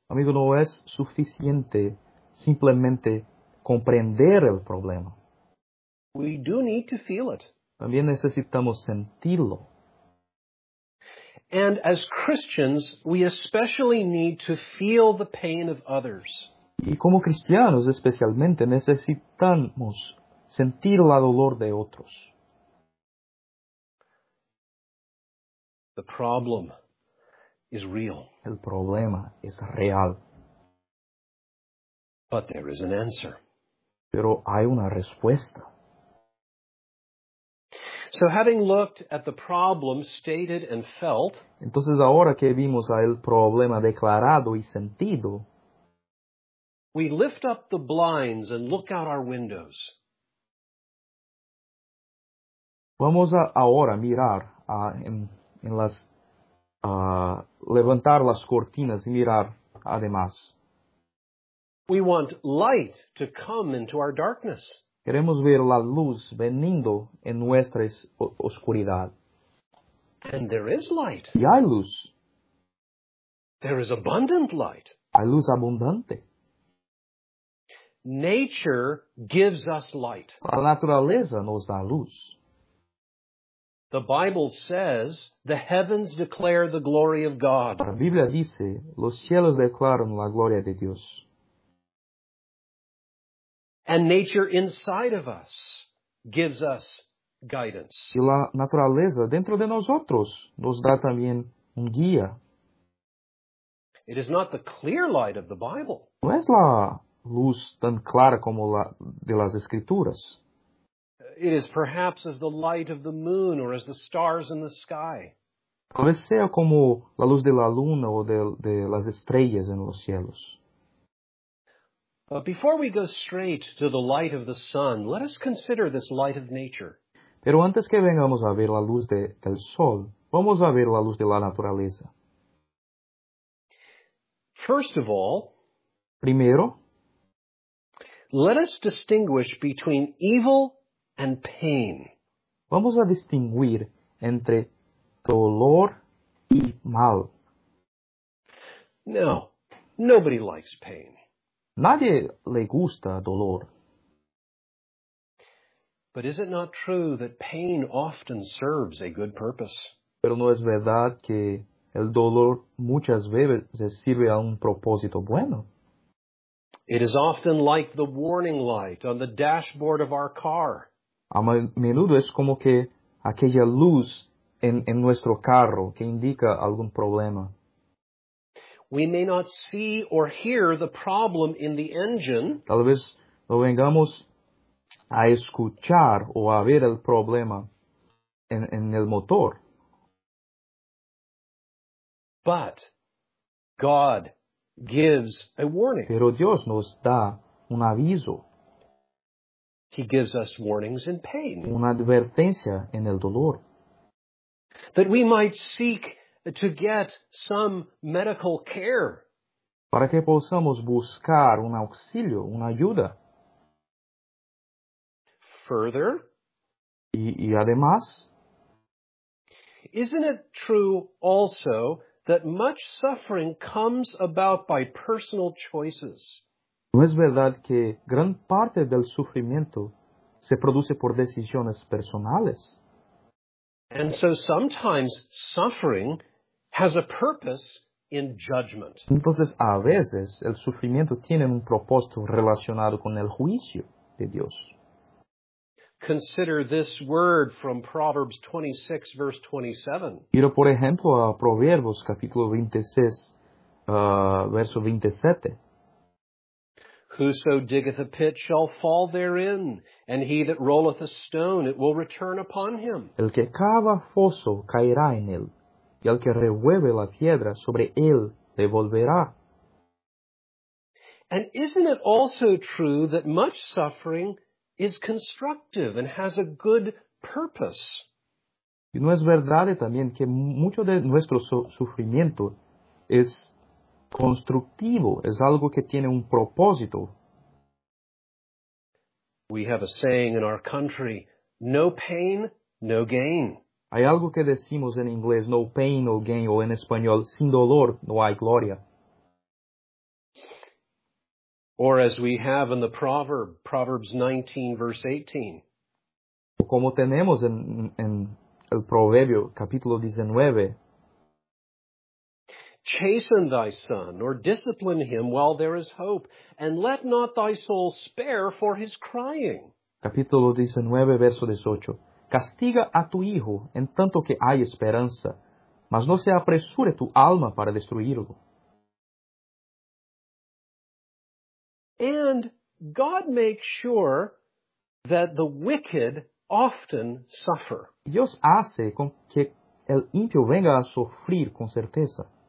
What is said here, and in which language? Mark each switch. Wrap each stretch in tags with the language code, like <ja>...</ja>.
<es>Amigo, no es suficiente simplemente comprender el problema.</es> <en>We do need to feel it.</en> <es>También necesitamos sentirlo.</es> <en>And as Christians, we especially need to feel the pain of others.</en> <es>Y como cristianos, especialmente, necesitamos sentir el dolor de otros.</es> <en>The problem is real.</en> <es>El problema es real.</es> <en>But there is an answer.</en> <es>Pero hay una respuesta.</es> <en>So having looked at the problem stated and felt,</en> <es>entonces ahora que vimos el problema declarado y sentido,</es> <en>we lift up the blinds and look out our windows.</en> <es>Vamos ahora mirar en las levantar las cortinas y mirar además.</es> <en>We want light to come into our darkness.</en> <es>Queremos ver la luz veniendo en nuestra oscuridad.</es> <en>And there is light.</en> <es>Y hay luz.</es> <en>There is abundant light.</en> <es>Hay luz abundante.</es> <en>Nature gives us light.</en> <es>La naturaleza nos da luz.</es> <en>The Bible says, the heavens declare the glory of God.</en> <es>La Biblia dice, los cielos declaran la gloria de Dios.</es> <en>And nature inside of us gives us guidance.</en> <es>Y la naturaleza dentro de nosotros nos da también un guía.</es> <en>It is not the clear light of the Bible.</en> <es>No es la luz tan clara como la de las Escrituras.</es> <en>It is perhaps as the light of the moon or as the stars in the sky.</en> <es>Tal vez sea como la luz de la luna o de las estrellas en los cielos.</es> <en>But before we go straight to the light of the sun, let us consider this light of nature.</en> <es>Pero antes que vengamos a ver la luz del sol, vamos a ver la luz de la naturaleza.</es> <en>First of all,</en> <es>primero,</es> <en>let us distinguish between evil and pain.</en> <es>Vamos a distinguir entre dolor y mal.</es> <en>No, nobody likes pain.</en> <es>Nadie le gusta dolor.</es> <en>But is it not true that pain often serves a good purpose?</en> <es>Pero no es verdad que el dolor muchas veces sirve a un propósito bueno.</es> <en>It is often like the warning light on the dashboard of our car.</en> <es>A menudo es como que aquella luz en nuestro carro que indica algún problema.</es> <en>We may not see or hear the problem in the engine.</en> <es>Tal vez no vengamos a escuchar o a ver el problema en el motor.</es> <en>But God gives a warning.</en> <es>Pero Dios nos da un aviso.</es> <en>He gives us warnings in pain.</en> <es>Una advertencia en el dolor.</es> <en>That we might seek to get some medical care.</en> <es>Para que possamos buscar un auxilio, una ayuda.</es> <en>Further.</en> <es>Y además.</es> <en>Isn't it true also that much suffering comes about by personal choices?</en> <es>¿No es verdad que gran parte del sufrimiento se produce por decisiones personales.</es> <en>And so sometimes suffering has a purpose in judgment.</en> <es>Entonces, a veces, el sufrimiento tiene un propósito relacionado con el juicio de Dios.</es> <en>Consider this word from Proverbs 26, verse 27.</en> <es>Mira, por ejemplo, a Proverbios, capítulo 26, verso 27.</es> <en>Whoso diggeth a pit shall fall therein, and he that rolleth a stone, it will return upon him.</en> <es>El que cava foso caerá en él, y el que revuelve la piedra sobre él le volverá.</es> <en>And isn't it also true that much suffering is constructive and has a good purpose?</en> <es>Y no es verdad también que mucho de nuestro sufrimiento es constructivo, es algo que tiene un propósito.</es> <en>We have a saying in our country, no pain, no gain.</en> <es>Hay algo que decimos en inglés,</es> <en>no pain, no gain,</en> <es>o en español, sin dolor, no hay gloria.</es> <en>Or as we have in the proverb, Proverbs 19, verse 18.</en> <es>Como tenemos en el proverbio, capítulo 19.</es> <en>Chasten thy son, or discipline him while there is hope, and let not thy soul spare for his crying.</en> <es>Capítulo 19, verso 18. Castiga a tu hijo en tanto que hay esperanza, mas no se apresure tu alma para destruirlo.</es> <en>And God makes sure that the wicked often suffer.</en> <es>Dios hace con que el impío venga a sufrir con certeza.</es>